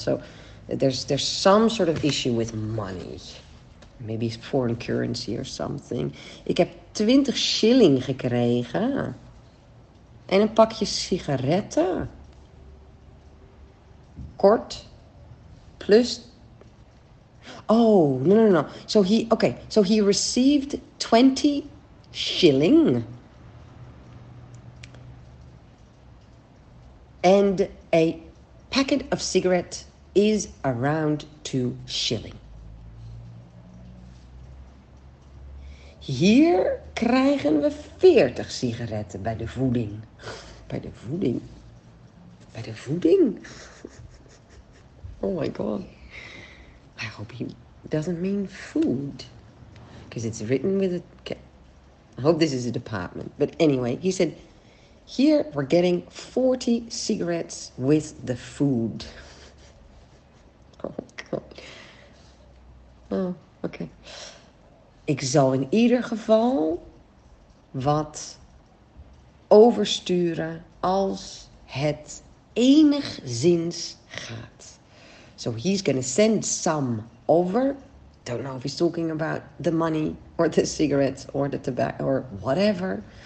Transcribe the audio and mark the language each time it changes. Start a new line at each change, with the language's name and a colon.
English: So there's some sort of issue with money. Maybe foreign currency or something.
Dutch: Ik heb 20 shilling gekregen. En een pakje sigaretten. Kort. Plus. Oh, no.
English: So he received 20 shilling. And a packet of cigarette is around 2 shilling.
Dutch: Hier krijgen we 40 sigaretten bij de voeding. Bij de voeding? Bij de voeding?
English: Oh my god. I hope he doesn't mean food. Because it's written with a... I hope this is a department. But anyway, he said... Here we're getting 40 cigarettes with the food. Oh, God. Oh, okay.
Dutch: Ik zal in ieder geval wat oversturen als het enigszins gaat.
English: So he's going to send some over. Don't know if he's talking about the money or the cigarettes or the tobacco or whatever.